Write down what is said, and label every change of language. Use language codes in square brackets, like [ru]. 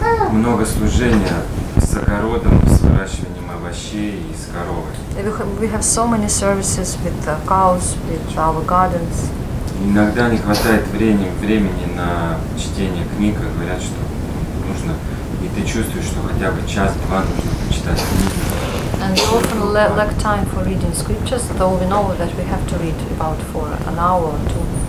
[ru] Много служения с огородом, с выращиванием овощей и с коровой. [en] We have so many services with the cows, with our gardens. [ru] Иногда не хватает времени на чтение книг, говорят, что нужно, и ты чувствуешь, что хотя бы час-два нужно почитать книги. [en] And we often lack time for reading scriptures, though we know that we have to read about for an hour or two.